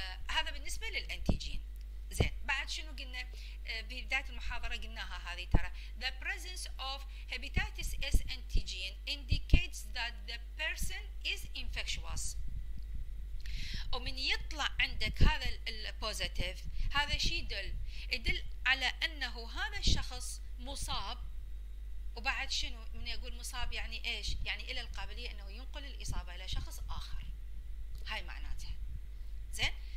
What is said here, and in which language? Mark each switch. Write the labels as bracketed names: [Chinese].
[Arabic] هذا بالنسبة للأنتيجين زين. بعد شنو قلنا في بداية المحاضرة؟ قلناها هذه ترى [English] the presence of hepatitis S antigen indicates that the person is infectious. [Arabic] ومن يطلع عندك هذا البوزيتيف، هذا شيء يدل على أنه هذا الشخص مصاب. وبعد شنو من يقول مصاب يعني إيش؟ يعني إلى القابلية أنه ينقل الإصابة إلى شخص آخر، هاي معناتها زين.